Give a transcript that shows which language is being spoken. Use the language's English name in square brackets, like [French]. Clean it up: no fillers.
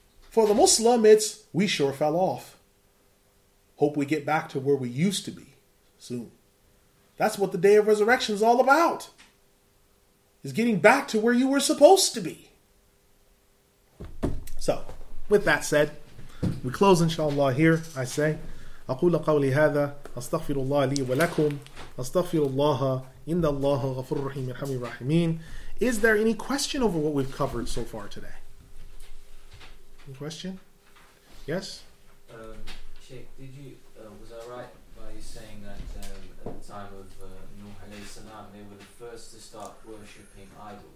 [English] For the Muslim, it's, we sure fell off. Hope we get back to where we used to be soon. That's what the Day of Resurrection is all about. Is getting back to where you were supposed to be. So, with that said, we close inshallah here, I say. [Arabic] أقول قولي هذا أستغفر الله لي ولكم أستغفر الله إن الله غفور رحيم الحمد الرحيمين. [English] Is there any question over what we've covered so far today? Any question? Yes? Sheikh, was I right by you saying that at the time of Nuh alayhi salam, they were the first to start worshipping idols?